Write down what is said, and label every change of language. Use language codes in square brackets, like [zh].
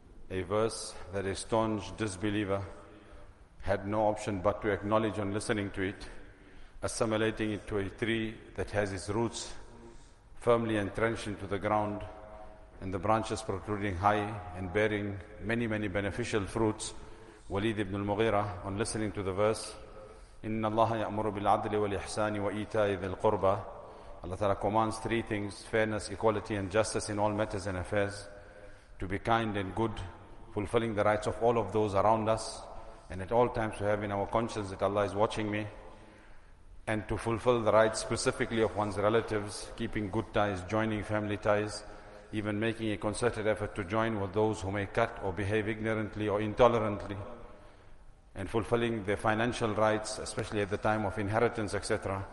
[en] a verse that a staunch disbeliever had no option but to acknowledge on listening to it, assimilating it to a tree that has its roots firmly entrenched into the ground and the branches protruding high and bearing many, many beneficial fruits. Walid ibn al-Mughira, on listening to the verse, [ar] إِنَّ اللَّهَ يَأْمُرُ بِالْعَدْلِ وَالْإِحْسَانِ وَإِيْتَاءِ ذِي الْقُرْبَى. [en] Allah Ta'ala commands three things: fairness, equality and justice in all matters and affairs, to be kind and good, fulfilling the rights of all of those around us, and at all times to have in our conscience that Allah is watching me, and to fulfill the rights specifically of one's relatives, keeping good ties, joining family ties, even making a concerted effort to join with those who may cut or behave ignorantly or intolerantly, and fulfilling their financial rights, especially at the time of inheritance, etc.